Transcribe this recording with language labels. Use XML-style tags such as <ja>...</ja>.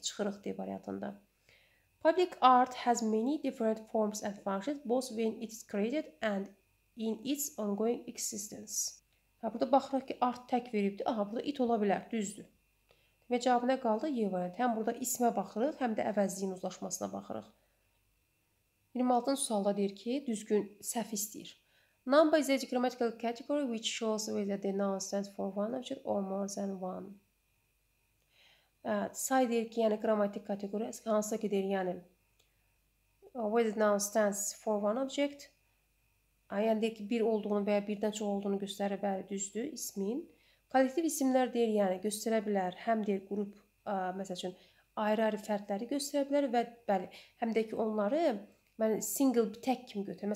<az>Çıxırıq D variantında.</az> <en>Public art has many different forms and functions, both when it is created and in its ongoing existence.</en> <az>Ha, burada baxırıq ki, art tək veribdir. Aha, burada it ola bilər. Düzdür. Demək, cavab nə qaldı? Y variantı. Həm burada ismə baxırıq, həm də əvəzliyin uzlaşmasına baxırıq. 26-cı sualda deyir ki, düzgün səhv istəyir.</az> <en>Number is a grammatical category which shows whether the noun stands for one object or more than one.</en> <az>Say deyir ki, yəni qrammatik kateqoriya, hansısa ki deyir, yəni whether noun stands for one object, yəni deyir ki, bir olduğunu və ya birdən çox olduğunu göstərir, bəli, düzdür ismin. Kollektiv isimler deyir, yəni göstərə bilər, həm deyir qrup, məsəl üçün ayrı-ayrı fərdləri göstərə bilər və bəli, həm də ki onları mən single bir tək kimi götürür.</az>